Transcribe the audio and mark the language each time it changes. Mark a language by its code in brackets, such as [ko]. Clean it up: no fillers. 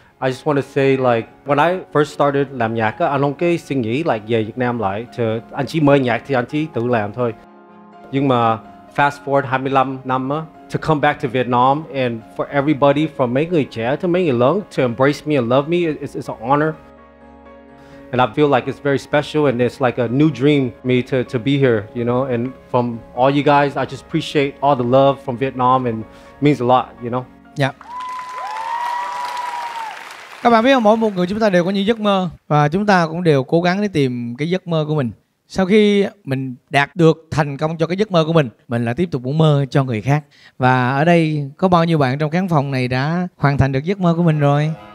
[en] I just want to say like when I first started [vi] làm nhạc, anh không cái suy nghĩ like về Việt Nam lại. Anh chỉ mơ nhạc thì anh chỉ tự làm thôi. Nhưng mà [en] fast forward 25 [vi] năm á, [en] to come back to Vietnam and for everybody from [vi] mấy người trẻ [en] to [vi] mấy người lớn [en] to embrace me and love me, it's an honor. And I feel like it's very special and it's like a new dream for me to be here, you know. And from all you guys, I just appreciate all the love from Vietnam and it means a lot, you know. Yeah. [vi] Các bạn biết không, mỗi một người chúng ta đều có những giấc mơ và chúng ta cũng đều cố gắng để tìm cái giấc mơ của mình. Sau khi mình đạt được thành công cho cái giấc mơ của mình lại tiếp tục muốn mơ cho người khác. Và ở đây có bao nhiêu bạn trong khán phòng này đã hoàn thành được giấc mơ của mình rồi?